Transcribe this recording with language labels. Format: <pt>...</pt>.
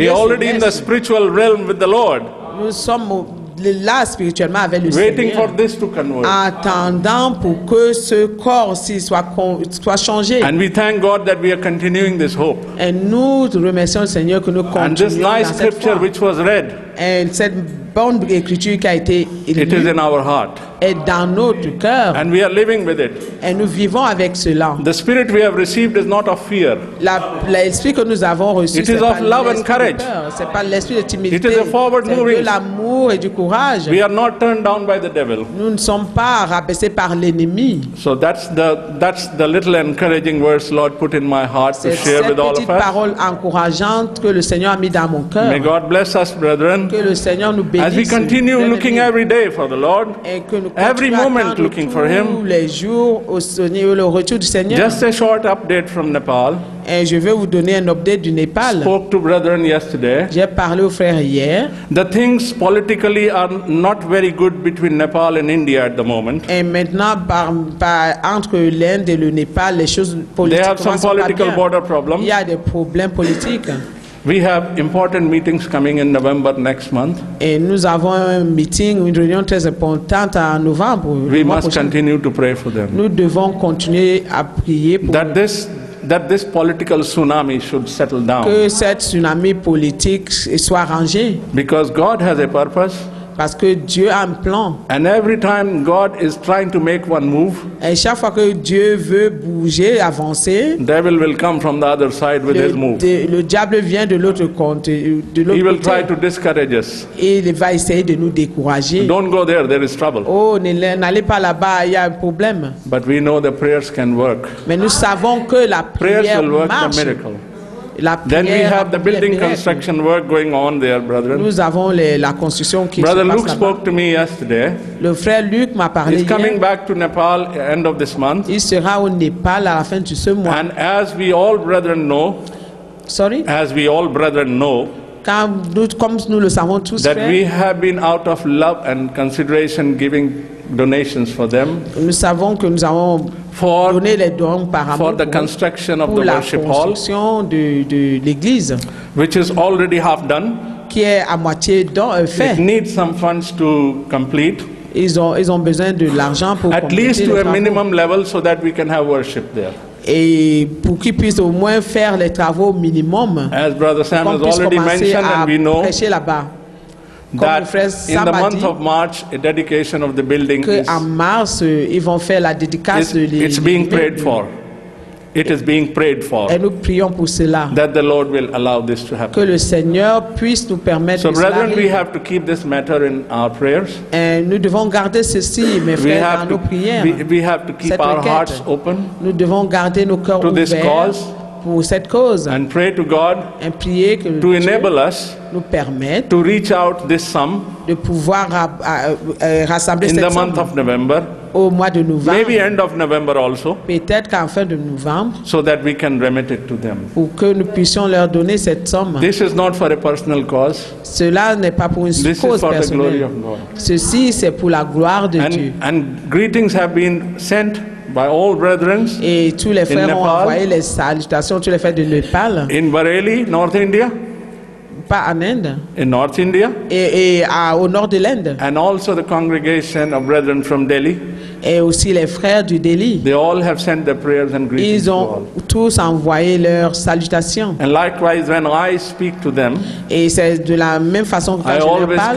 <en>We are already in the spiritual realm with the Lord.</en> <fr>Nous sommes là spirituellement avec le</fr> <en>waiting</en> <fr>Seigneur.</fr> <en>For this to convert.</en> <fr>Attendant pour que ce corps-ci soit changé.</fr> <en>And we thank God that we are continuing this hope.</en> <fr>Et nous remercions le Seigneur que nous continuons dans cette foi.</fr> <en>And this nice scripture which was read.</en> <fr>Et cette bonne écriture qui a été lue.</fr> <en>It is in our heart.</en> <fr>Et dans notre cœur.</fr> <en>And we are living with it.</en> <fr>Et nous vivons avec cela.</fr> <en>The spirit we have received is not of fear.</en> <fr>L'esprit que nous avons reçu,</fr> <en>it is of love and courage.</en> <fr>C'est pas l'esprit de timidité.</fr> <en>It is a forward moving.</en> <fr>C'est de l'amour et du courage.</fr> <en>We are not turned down by the devil.</en> <fr>Nous ne sommes pas rabaissés par l'ennemi.</fr> <en>So that's the little encouraging words Lord put in my heart to share with all of us.</en> <fr>C'est cette parole encourageante que le Seigneur a mis dans mon cœur.</fr> <en>May God bless us, brethren.</en> <fr>Que le Seigneur nous bénisse.</fr> <en>As we continue looking every day for the Lord. Every moment looking for him.</en> <fr>Les jours au retour du Seigneur.</fr> <en>Just a short update from Nepal.</en> <fr>Et je vais vous donner un update du Népal.</fr> <en>Spoke to brethren yesterday.</en> <fr>J'ai parlé aux frères hier.</fr> <en>The things politically are not very good between Nepal and India at the moment.</en> <fr>Et maintenant, entre l'Inde et le Népal, les choses politiques.</fr> <en>They have some political border problems.</en> <fr>Il y a des problèmes politiques.</fr> <en>We have important meetings coming in November next month.</en> <fr>Et nous avons un meeting, une réunion très importante en novembre.</fr> <en>We must continue to pray for them.</en> <fr>Nous devons continuer à prier pour</fr> <en>that this political tsunami should settle down.</en> <fr>Que cette tsunami politique soit rangée.</fr> <en>Because God has a purpose.</en> <fr>Parce que Dieu a un plan.</fr> <en>And every time God is trying to make one move.</en> <fr>Et chaque fois que Dieu veut bouger, avancer.</fr> <en>Devil will come from the other side with his move.</en> <fr>Le diable vient de l'autre côté.</fr> <en>He will try to discourage us.</en> <fr>Il va essayer de nous décourager.</fr> <en>Don't go there. There is trouble.</en> <fr>Oh, n'allez pas là-bas. Il y a un problème.</fr> <en>But we know the prayers can work.</en> <fr>Mais nous savons que la prière marche.</fr> <en>Prayers will work the miracle. Then we have the building construction work going on there, brethren.</en> <fr>Nous avons la construction qui</fr> <en>Brother Luke là-bas. Spoke to me yesterday.</en> <fr>Le frère Luc m'a parlé.</fr> <en>He's coming back to Nepal end of this month.</en> <fr>Il sera au Népal à la fin de ce mois.</fr> <en>And as we all brethren know,</en> <fr>comme nous le savons tous,</fr> <en>that we have been out of love and consideration giving donations for them.</en> <fr>Nous savons que nous avons donné les dons par amour</fr> <en>for the construction of the worship hall,</en> <fr>pour la construction de l'église,</fr> <en>which is already half done,</en> <fr>qui est à moitié fait.</fr> <en>It needs some funds to complete.</en> <fr>Ils ont besoin de l'argent pour</fr> <en>at least to a minimum level so that we can have worship there.</en> <fr>Et pour qu'ils puissent au moins faire les travaux minimum.</fr> <en>As Brother Sam has already mentioned and we know. That in the month of March, a dedication of the building is being prayed for. It is being prayed for.</en> <fr>Et nous prions pour cela.</fr> <en>That the Lord will allow this to happen.</en> <fr>Que le Seigneur puisse nous permettre cela.</fr> <en>So brethren, we have to keep this matter in our prayers.</en> <fr>Et nous devons garder ceci, mes frères, dans nos prières.</fr> <en>We have to keep our hearts open.</en> <fr>Nous devons garder nos cœurs ouverts.</fr> <en>To this cause.</en> <fr>Pour cette cause.</fr> <en>And pray to God to enable us</en> <fr>nous permettre</fr> <en>to reach out this sum</en> <fr>de pouvoir rassembler</fr> <en>in</en> <fr>cette</fr> <en>the month</en> <fr>somme</fr> <en>of November,</en> <fr>au mois de novembre,</fr> <en>maybe end of November also,</en> <fr>peut-être qu'en fin de novembre,</fr> <en>so that we can remit it to them.</en> <fr>Pour que nous puissions leur donner cette somme.</fr> <en>This is not for a personal cause.</en> <fr>Cela n'est pas pour une</fr> <en>this cause is for</en> <fr>personnelle.</fr> <en>The glory of God.</en> <fr>Ceci, c'est pour la gloire de</fr> <en>and,</en> <fr>Dieu.</fr> <en>And greetings have been sent by all brethren</en> <fr>et tous les frères ont envoyé les salutations, tous les frères de Népal.</fr> <en>In Bareilly, North India.</en> <fr>Pas en Inde.</fr> <en>In North India.</en> <fr>Et au nord de l'Inde.</fr> <en>And also the congregation of brethren from Delhi.</en> <fr>Et aussi les frères du Delhi.</fr> <en>They all have sent their prayers and greetings.</en> <fr>Ils ont tous envoyé leurs salutations.</fr> <en>And likewise, when I speak to them.</en> <fr>Et c'est de la même façon que quand je leur parle.</fr>